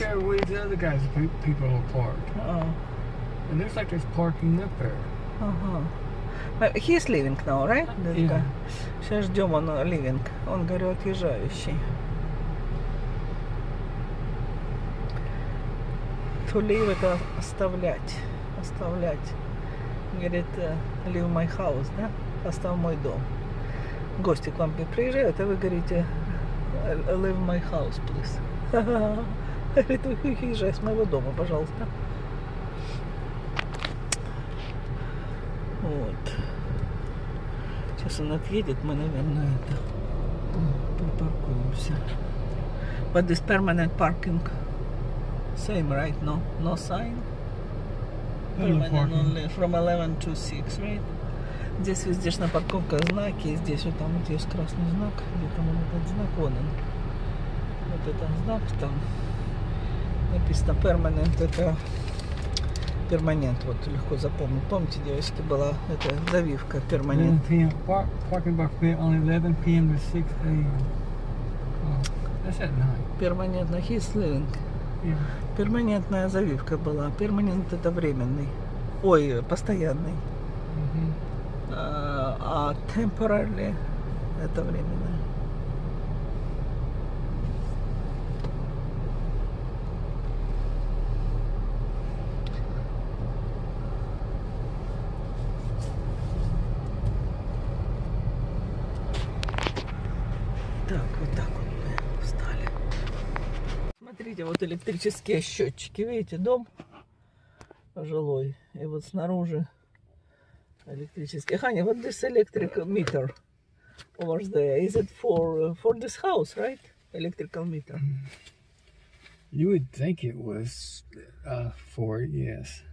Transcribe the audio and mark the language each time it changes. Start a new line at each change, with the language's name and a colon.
English: Okay, well, the other guys, people are parked. Oh. And there's like this parking up there. Uh-huh. He's leaving now, right? This yeah. guy.
Russian: Сейчас ждем, он
English: leaving.
Russian: Он, говорю, отъезжающий. To leave, это оставлять. Оставлять. Говорит,
English: leave my house,
Russian: да? Оставь мой дом. Гости к вам приезжают, а вы говорите,
English: leave my house, please.
Russian: Говорит, уезжай с моего дома, пожалуйста. Вот. Сейчас он отъедет, мы, наверное, это припаркуемся.
English: But this permanent parking same, right? No? No sign? Permanent only from 11 to 6, right?
Russian: Здесь везде на парковке знаки, здесь вот там вот есть красный знак, где там вот этот знак, вон он. Вот этот знак там написано
English: permanent,
Russian: это перманент, вот легко запомнить. Помните, девочки, была эта завивка перманент.
English: Parking bar free only 11 p.m. to 6 a.m. That's at 9.
Russian: Перманентно,
English: he's living. Yeah.
Russian: Перманентная завивка была. Перманент это временный. Ой, постоянный. А
English: temporarily
Russian: это временно. Так, вот так вот мы встали. Смотрите, вот электрические счетчики. Видите, дом жилой. И вот снаружи электрический.
English: Honey, what this electric meter over there? Is it for this house, right? Electrical meter. You would think it was for, yes.